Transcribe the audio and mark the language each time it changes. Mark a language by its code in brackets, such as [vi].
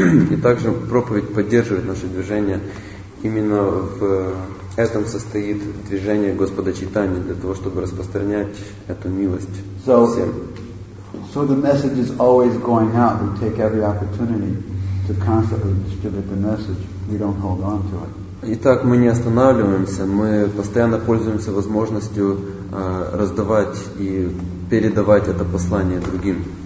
[ru] И также проповедь поддерживает наше движение. Именно в этом состоит движение Господа Чайтаньи, для того, чтобы распространять эту милость всем. [en] So the message is always going out. We take every opportunity to constantly distribute the message. We don't hold on to it. [ru] Итак, мы не останавливаемся, мы постоянно пользуемся возможностью раздавать и передавать это послание другим.